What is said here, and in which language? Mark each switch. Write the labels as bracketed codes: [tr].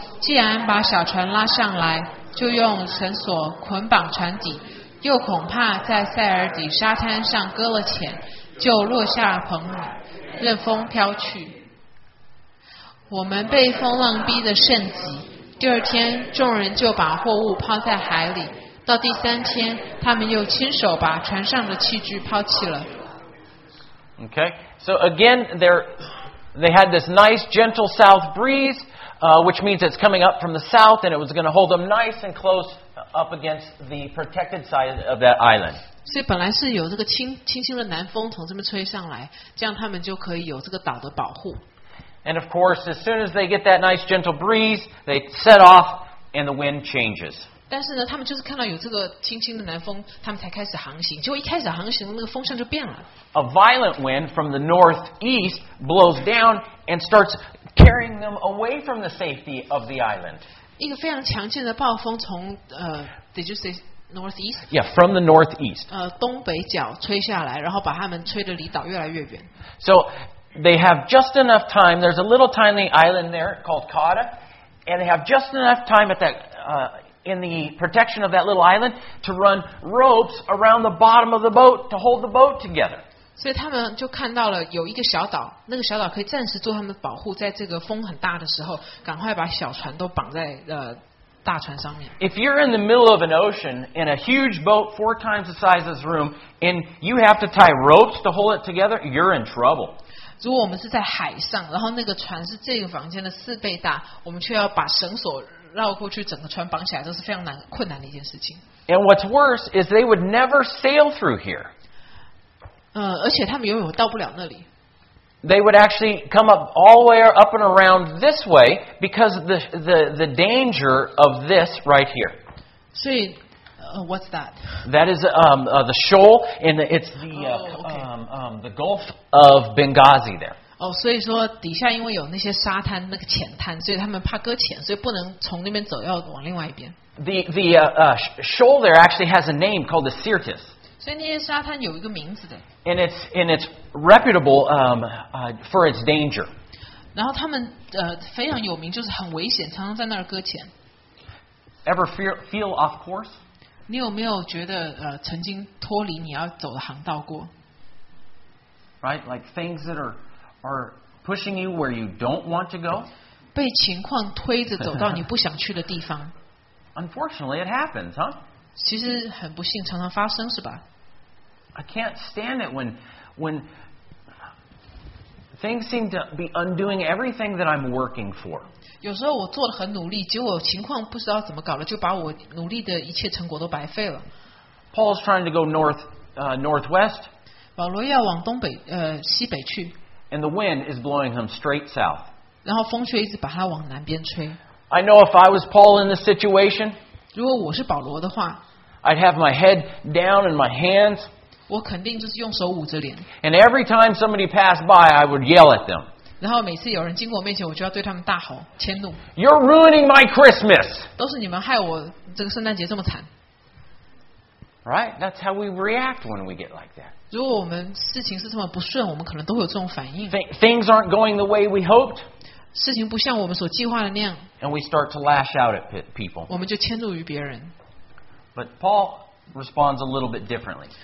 [zh] 既然把小船拉上来，就用绳索捆绑船底，又恐怕在塞尔底沙滩上搁了浅，就落下篷里，任风飘去。我们被风浪逼得甚急，第二天众人就把货物抛在海里，到第三天他们又亲手把船上的器具抛弃了。 [en] Okay, so again they had this nice gentle south breeze, which means it's coming up from the south and it was going to hold them nice and close up against the protected side of that island. [zh] 所以本来是有这个清新的南风从这边吹上来，这样他们就可以有这个岛的保护。 [en] And of course, as soon as they get that nice gentle breeze, they set off, and the wind changes. [zh] 但是呢，他们就是看到有这个轻轻的南风，他们才开始航行。结果一开始航行，那个风向就变了。 [en] A violent wind from the northeast blows down and starts carrying them away from the safety of the island. [zh] 一个非常强劲的暴风从 [en] did you say northeast? Yeah, from the northeast. [zh] 东北角吹下来，然后把他们吹得离岛越来越远。 [en] So. They have just enough time. There's a little tiny island there called Kata, and they have just enough time at that, in the protection of that little island to run ropes around the bottom of the boat to hold the boat together. [zh] 所以他们就看到了有一个小岛，那个小岛可以暂时做他们保护，在这个风很大的时候，赶快把小船都绑在大船上面。 [en] If you're in the middle of an ocean in a huge boat four times the size of this room, and you have to tie ropes to hold it together, you're in trouble. [zh] 如果我们是在海上，然后那个船是这个房间的四倍大，我们却要把绳索绕过去，整个船绑起来，都是非常困难的一件事情。 [en] And what's worse is they would never sail through here. [zh] 而且他们永远到不了那里。 [en] They would actually come up all the way up and around this way because of the danger of this right here. [zh] 所以 [en] what's that? That is the shoal, and it's the the Gulf of Benghazi there. [zh] Oh, 所以说底下因为有那些沙滩那个浅滩，所以他们怕搁浅，所以不能从那边走，要往另外一边。 [en] The shoal there actually has a name called the Syrtis. [zh] 所以那些沙滩有一个名字的。 [en] And it's reputable for its danger. [zh] 然后他们非常有名，就是很危险，常常在那儿搁浅。 [en] Ever feel off course? [zh] 你有没有觉得曾经脱离你要走的航道过 [en] ？Right, like things that are pushing you where you don't want to go. [zh] 被情况推着走到你不想去的地方。 [en] Unfortunately, it happens, huh? [zh] 其实很不幸，常常发生，是吧 [en] ？I can't stand it when things seem to be undoing everything that I'm working for. [zh] 有时候我做得很努力，结果情况不知道怎么搞了，就把我努力的一切成果都白费了。 [en] Paul's trying to go north, northwest. [zh] 保罗要往东北，西北去。 [en] And the wind is blowing him straight south. [zh] 然后风却一直把他往南边吹。 [en] I know if I was Paul in this situation. [zh] 如果我是保罗的话。 [en] I'd have my head down and my hands. [zh] 我肯定就是用手捂着脸。 [en] And every time somebody passed by, I would yell at them. [zh] 然后每次有人经过我面前，我就要对他们大吼迁怒。 [en] You're ruining my Christmas. [zh] 都是你们害我这个圣诞节这么惨。 [en] Right? That's how we react when we get like that. [zh] 如果我们事情是这么不顺，我们可能都会有这种反应。 [en] Things aren't going the way we hoped. [zh] 事情不像我们所计划的那样。 [en] And we start to lash out at people. [zh] 我们就迁怒于别人。 [en] But Paul responds a little bit differently.